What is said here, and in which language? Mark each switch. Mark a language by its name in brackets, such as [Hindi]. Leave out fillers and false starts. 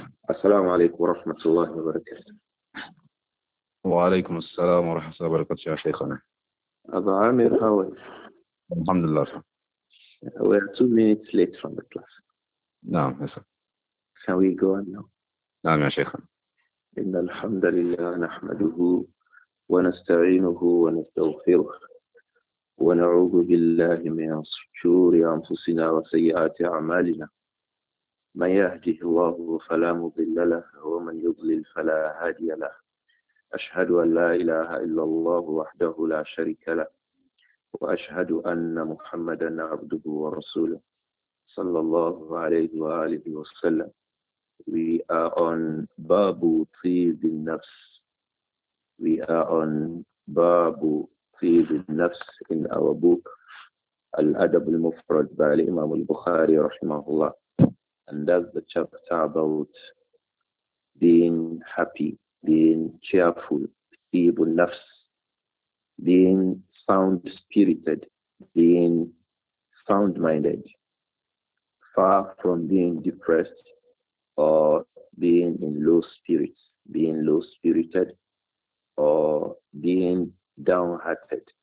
[Arabic] السلام عليكم ورحمة الله وبركاته. وعليكم السلام ورحمة الله وبركاته يا شيخنا. أبو عامر هاوي. الحمد لله. [English] We are 2 minutes late from the class. [Arabic] نعم يا سيدي. [English] Shall we go on now? [Arabic] نعم يا شيخنا. إن الحمد لله نحمده ونستعينه ونستغفره ونعوذ بالله من شرور أنفسنا وسيئات أعمالنا. من يهده الله فلا مضل له ومن يضلل فلا هادي له. أشهد أن لا إله إلا الله وحده لا شريك له وأشهد أن محمدا عبده ورسوله صلى الله عليه وآله وسلم. [English] We are on Babu طيب النفس. We are on Babu طيب النفس in our book الأدب المفرد by الإمام البخاري رحمه الله. And that's the chapter about being happy, being cheerful, feeble nafs, being sound spirited, being sound minded, far from being depressed or being in low spirits, being low spirited or being downhearted.